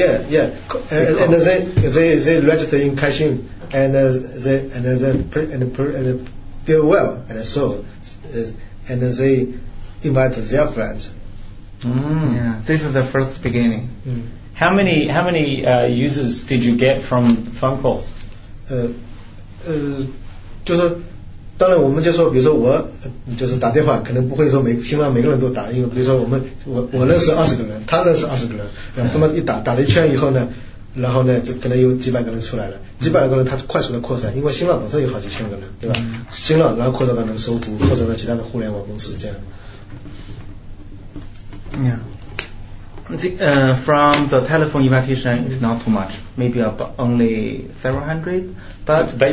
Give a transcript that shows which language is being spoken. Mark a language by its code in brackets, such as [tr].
[en] And they register in Kaixin and they feel well, and so and they invite their friends. Yeah, this is the first beginning. How many users did you get from phone calls? [zh] 就是当然我们就说比如说我就是打电话可能不会说每希望每个人都打，因为比如说我认识20个人，他认识20个人，这么一打打了一圈以后呢，然后呢就可能有几百个人出来了，几百个人他快速的扩散，因为新浪本身有好几千个人，对吧？新浪然后扩散到人搜狐，扩散到其他的互联网公司这样。 [en] From the telephone invitation is not too much, maybe about only several hundred, but